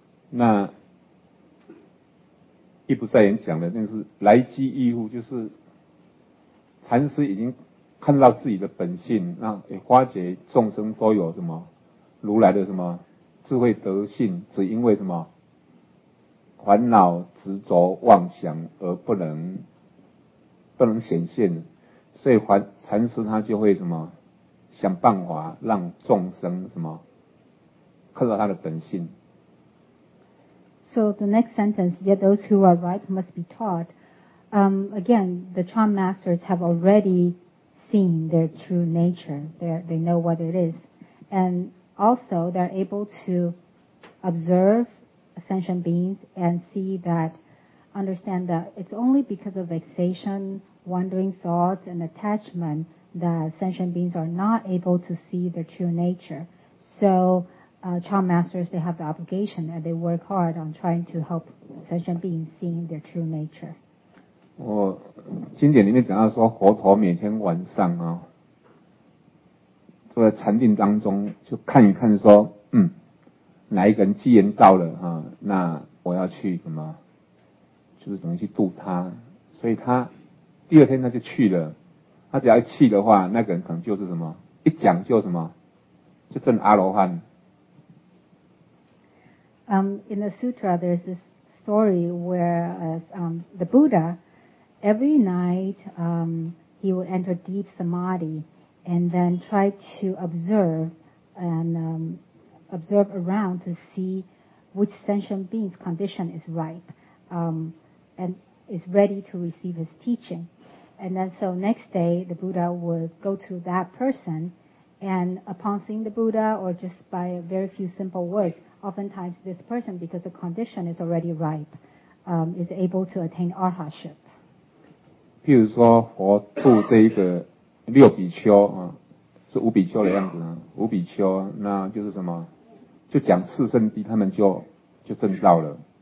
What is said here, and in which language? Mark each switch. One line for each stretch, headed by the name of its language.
English: Now,
Chinese: 一不再言讲的那是来机异物，就是禅师已经看到自己的本性，那也发觉众生都有什么如来的什么智慧德性，只因为什么烦恼执着妄想而不能显现，所以禅师他就会什么想办法让众生什么看到他的本性。
English: So the next sentence, yet those who are right must be taught. Again, the Chan masters have already seen their true nature. They know what it is. And also, they're able to observe sentient beings and see that, understand that it's only because of vexation, wandering thoughts, and attachment that sentient beings are not able to see their true nature. So child masters, they have the obligation and they work hard on trying to help sentient beings seeing their true nature.
Chinese: 我经典里面讲到说，佛陀每天晚上啊，坐在禅定当中，就看一看说，嗯，哪一个人机缘到了啊，那我要去什么，就是等于去度他。所以他第二天他就去了，他只要一去的话，那个人可能就是什么，一讲就什么，就证阿罗汉。
English: In the sutra, there's this story where the Buddha, every night he would enter deep samadhi and then try to observe and observe around to see which sentient being's condition is ripe and is ready to receive his teaching. And then so next day, the Buddha would go to that person, and upon seeing the Buddha or just by a very few simple words, oftentimes this person, because the condition is already ripe, is able to attain arhatship.
Chinese: 譬如说佛度这一个六比丘、啊、是五比丘的样子、啊、五比丘那就是什么就讲四圣谛他们就证道了。